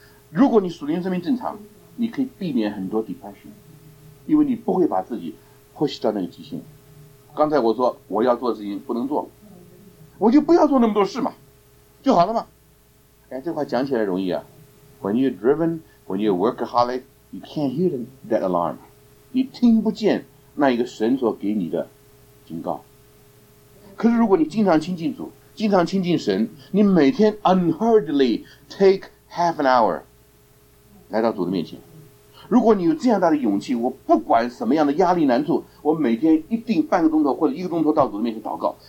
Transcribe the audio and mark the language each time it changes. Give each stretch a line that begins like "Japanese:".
Chinese: 如果你属灵生命正常，你可以避免很多 depression， 因为你不会把自己 push 到那个极限。刚才我说我要做的事情不能做，我就不要做那么多事嘛，就好了嘛。哎，这话讲起来容易啊。
English: When you're driven, when you're workaholic, you can't hear that alarm.
Chinese: 你听不见那一个神所给你的警告。可是如果你经常亲近主，经常亲近神，你每天
English: unhurriedly take half an hour
Chinese: 来到主的面前。如果你有这样大的勇气，我不管什么样的压力难处，我每天一定半个钟头或者一个钟头到主的面前祷告。